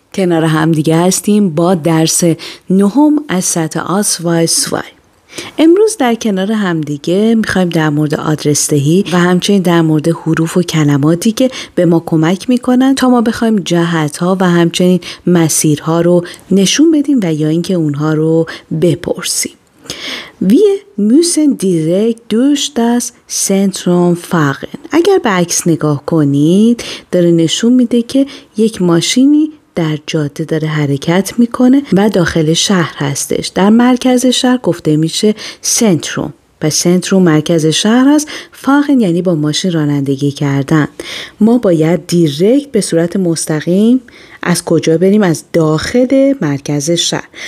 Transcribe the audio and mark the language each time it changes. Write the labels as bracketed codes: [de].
[fa] کنار هم دیگه هستیم با درس نهم از سطح آس وای سوای. امروز در کنار هم دیگه میخوایم در مورد آدرس دهی و همچنین در مورد حروف و کلماتی که به ما کمک میکنن تا ما بخوایم جهتها و همچنین مسیرها رو نشون بدیم و یا اینکه اونها رو بپرسیم. [de] Wir müssen direkt durch das Zentrum fahren. [fa] اگر به عکس نگاه کنید، داره نشون میده که یک ماشینی در جاده داره حرکت میکنه و داخل شهر هستش. در مرکز شهر گفته میشه سنتروم. و سنتروم مرکز شهر است. فاقن یعنی با ماشین رانندگی کردن. ما باید دیرکت به صورت مستقیم از کجا بریم؟ از داخل مرکز شهر.